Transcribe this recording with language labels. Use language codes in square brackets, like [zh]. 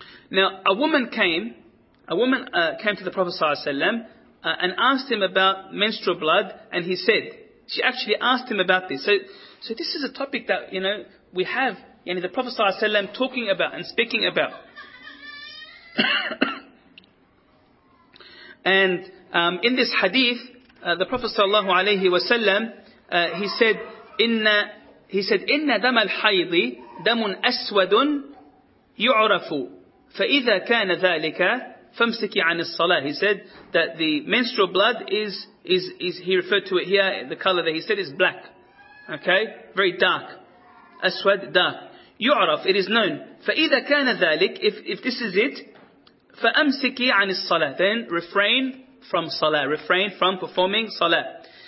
[en] Now, a woman came to the Prophet Sallallahu Alaihi Wasallam, and asked him about menstrual blood, and she actually asked him about this. So this is a topic that, we have, the Prophet Sallallahu Alaihi Wasallam talking about and speaking about. And in this hadith, the Prophet Sallallahu Alaihi Wasallam, he said, [ar] إِنَّ دَمَ الْحَيْضِ دَمٌ أَسْوَدٌ يُعْرَفُ فَإِذَا كَانَ ذَلِكَ فَمْسِكِ عَنِ الصَّلَاةِ. [en] He said that the menstrual blood is he referred to it here, the color that he said is black. Okay? Very dark. Aswad, dark. [ar] يُعْرَف, [en] it is known. [ar] فَإِذَا كَانَ ذَلِكَ, [en] if this is it, [ar] فَأَمْسِكِ عَنِ الصَّلَاةِ, [en] then refrain from salah, refrain from performing salah.